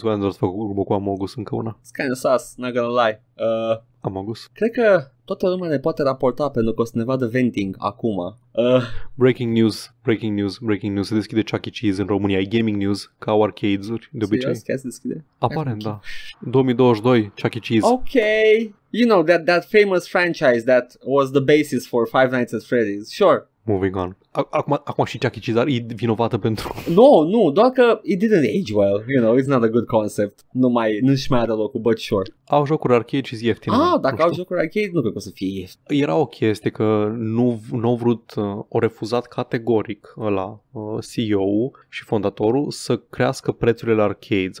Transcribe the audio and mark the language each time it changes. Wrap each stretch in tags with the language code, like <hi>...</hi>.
<ro>Vreau să fac urmă cu Amogus încă una.</ro> <en>It's kind of sus, not gonna lie.</en> <ro>Amogus? Cred că toată lumea ne poate raporta pentru că o să ne vadă venting acum. Breaking news. Se deschide Chuck E. Cheese în România. E gaming news, ca arcades-uri, de obicei. Serios? Chiar se deschide? Aparent, okay. Da. 2022, Chuck E. Cheese. Ok.</ro> <en>You know, that famous franchise that was the basis for Five Nights at Freddy's. Sure. Moving on.</en> <ro>Acum și Chuck E. Cheese e vinovată pentru... Nu, doar că</ro> <en>it didn't age well. You know, it's not a good concept.</en> <ro>Nu-și mai are locul,</ro> <en>but sure.</en> <ro>Au jocuri arcade și-s ieftin. Dacă au jocuri arcade, nu cred că o să fie ieftin. Era o chestie că nu au vrut, au refuzat categoric ăla, CEO-ul și fondatorul, să crească prețurile la arcades.</ro>